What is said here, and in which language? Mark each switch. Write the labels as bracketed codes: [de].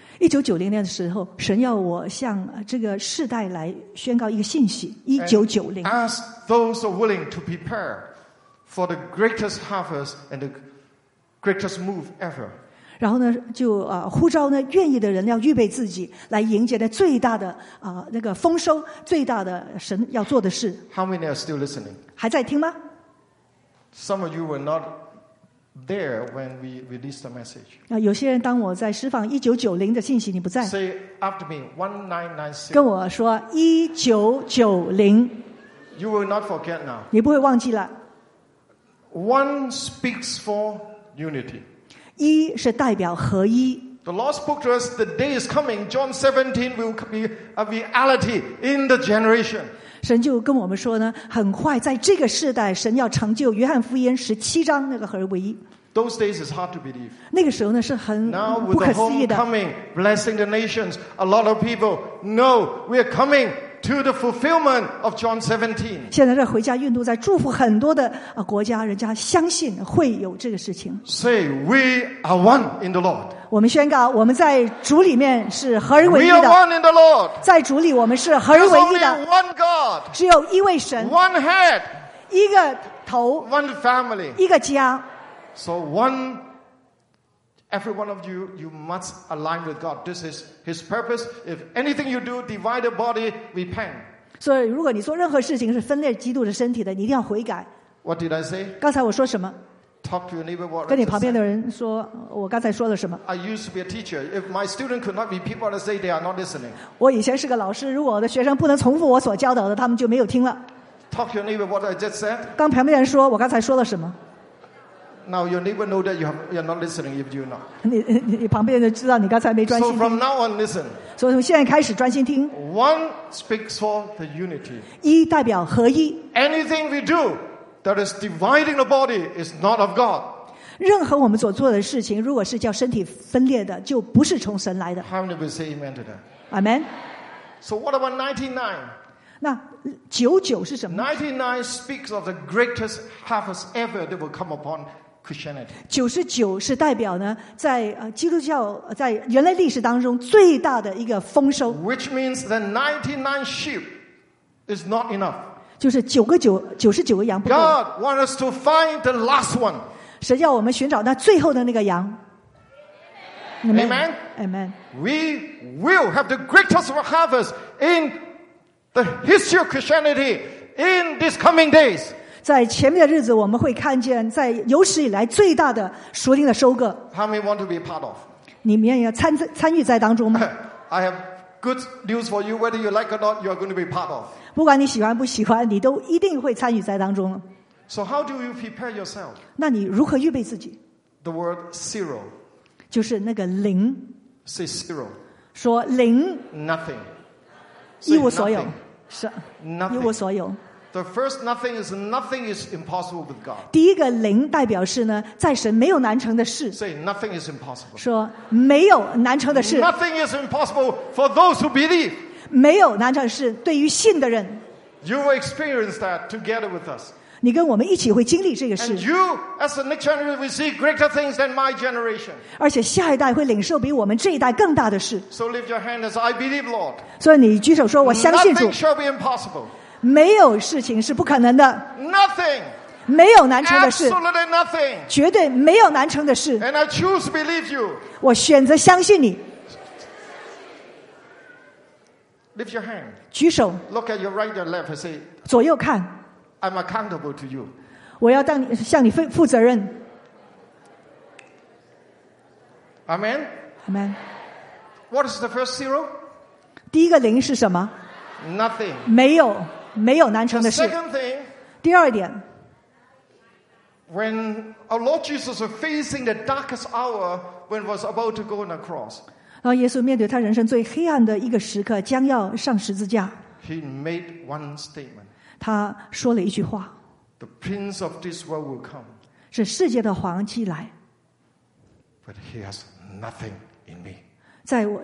[zh] 1990年的时候，神要我向这个世代来宣告一个信息。 1990。 [en] Ask those who are willing to prepare for the greatest harvest and the greatest move ever. [zh] 然后呢，就呼召呢，愿意的人要预备自己来迎接的最大的那个丰收，最大的神要做的事。 [en] How many are still listening? [zh] 还在听吗 [en] ？Some of you were not. There, when we release the message. [zh] 有些人当我在释放1990的信息，你不在。 [en] Say after me, 1990. [zh] 跟我说1990。 [en] You will not forget now. [zh] 你不会忘记了。 [en] One speaks for unity. [zh] 一是代表合一。 [en] The Lord spoke to us, the day is coming. John 17 will be a reality in the generation. [zh] 神就跟我们说呢，很快在这个世代，神要成就约翰福音十七章那个合而为一。 [en] Those days is hard to believe. [zh] 那个时候呢是很不可思议的。 [en] Now with the homecoming, blessing the nations, a lot of people know we are coming to the fulfillment of John 17. [zh] 现在这回家运动在祝福很多的国家，人家相信会有这个事情。 [en] Say we are one in the Lord. [zh] 我们宣告我们在主里面是合而为一的。 [en] We are one in the Lord. [zh] 在主里我们是合而为一的。 [en] There's only one God. [zh] 只有一位神。 [en] One head. [zh] 一个头。 [en] One family. [zh] 一个家。 [en] So one, every one of you, you must align with God. This is His purpose. If anything you do, divide the body, repent. [zh] 所以，如果你做任何事情是分裂基督的身体的，你一定要悔改。 [en] What did I say? [zh] 刚才我说什么 [en] Talk to your neighbor. [zh] 跟你旁边的人说，我刚才说了什么 [en] ？I used to be a teacher. If my student could not repeat what I say, they are not listening. [zh] 我以前是个老师，如果我的学生不能重复我所教导的，他们就没有听了。 [en] Talk to your neighbor what I just said. [zh] 跟旁边的人说，我刚才说了什么 [en] ？Now your neighbor know that you're not listening if you're not. [zh] 你旁边的人知道你刚才没专心听。 [en] So from now on, listen. [zh] 所以从现在开始专心听。 [en] One speaks for the unity. [zh] 一代表合一。 [en] Anything we do. That is dividing the body is not of God. [zh] 任何我们所做的事情，如果是叫身体分裂的，就不是从神来的。 [en] How many will say amen to that? Amen. So what about 99? [zh] 那99是什么？ [en] 99 speaks of the greatest harvest ever that will come upon Christianity. [zh] 99是代表呢，在基督教在人类历史当中最大的一个丰收。 [en] Which means that 99 sheep is not enough. [zh] 就是99个羊不够。 [en] God wants us to find the last one. [zh] 神要我们寻找那最后的那个羊。 [en] Amen. Amen. We will have the greatest harvest in the history of Christianity in these coming days. [zh] 在前面的日子，我们会看见在有史以来最大的属灵的收割。 [en] How many want to be part of? [zh] 你们要参与在当中吗 [en] ？I have good news for you. Whether you like or not, you are going to be part of. [zh] 不管你喜欢不喜欢，你都一定会参与在当中。 [en] So how do you prepare yourself? [zh] 那你如何预备自己 [en] ？The word zero， [zh] 就是那个零。 [en] Say zero， [zh] 说零。 [en] Nothing， [zh] 一无所有。是， [en] nothing， [zh] 一无所有。 [en] The first nothing is nothing is impossible with God。 [zh] 第一个零代表是呢，在神没有难成的事。 [en] Say nothing is impossible， [zh] 说没有难成的事。 [en] Nothing is impossible for those who believe。 [zh] 没有难成的事，对于信的人。 [en] You will experience that together with us. [zh] 你跟我们一起会经历这个事。 [en] And you, as the next generation, will see greater things than my generation. [zh] 而且下一代会领受比我们这一代更大的事。 [en] So lift your hand as I believe, Lord. [zh] 所以你举手说，我相信主。 [en] Nothing shall be impossible. [zh] 没有事情是不可能的。 [en] Nothing. [zh] 没有难成的事。 [en] Absolutely nothing. [zh] 绝对没有难成的事。 [en] And I choose to believe you. [zh] 我选择相信你。 [en] Lift your hand. [zh] 举手。 [en] Look at your right and left and say. [zh] 左右看。 [en] I'm accountable to you. [zh] 我要当你向你负责任。 [en] Amen. Amen. What is the first zero? [zh] 第一个零是什么 [en] ？Nothing. [zh] 没有难成的事。 [en] The second thing. [zh] 第二点。 [en] When our Lord Jesus was facing the darkest hour when he was about to go on the cross. [zh] 当耶稣面对他人生最黑暗的一个时刻，将要上十字架。 [en] He made one statement. [zh] 他说了一句话。 [en] The prince of this world will come. [zh] 是世界的皇帝来。 [en] But he has nothing in me.